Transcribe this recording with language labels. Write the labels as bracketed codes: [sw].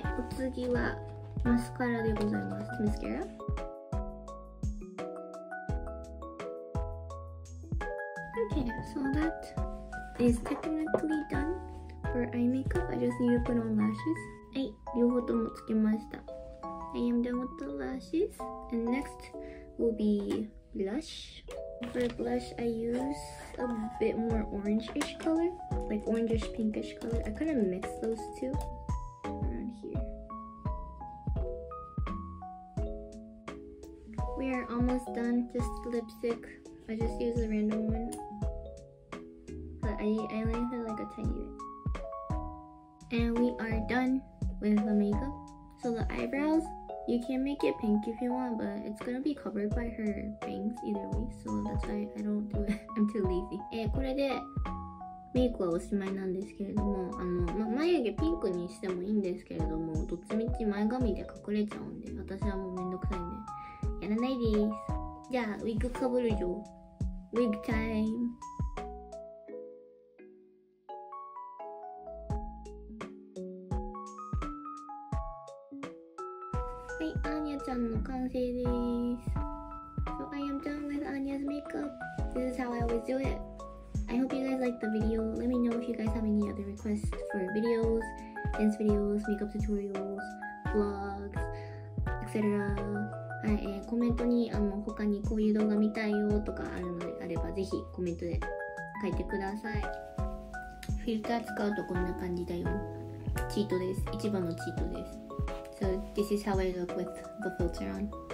[ja] お次はマスカラでございます。マスカラ。 [en] Okay, so that is technically done for eye makeup. I just need to put on lashes. [ja] はい、両方ともつけました。 [en] I am done with the lashes, and next will be blush. For blush, I use a bit more orange-ish color, like orange-ish-pinkish color. I kind of mix those two around here. We are almost done. Just lipstick. I just use a random one. But I like it like a tiny bit. And we are done with the makeup. So the eyebrows. You can make it pink if you want, but it's gonna be covered by her bangs either way, so that's why I don't do it. I'm too lazy. [ja] これでメイクはおしまいなんですけれども、眉毛ピンクにしてもいいんですけれども、どっちみち前髪で隠れちゃうんで、私はもうめんどくさいんで、やらないです。じゃあ、ウィッグかぶるよ。ウィッグタイム。 [en] So I am done with Anya's makeup. This is how I always do it. I hope you guys liked the video. Let me know if you guys have any other requests for videos, dance videos, makeup tutorials, vlogs, etc. [ja] はい、コメントに他にこういう動画見たいよとかあるのであればぜひコメントで書いてください。フィルター使うとこんな感じだよ。チートです。一番のチートです。 [en] So this is how I look with the filter on.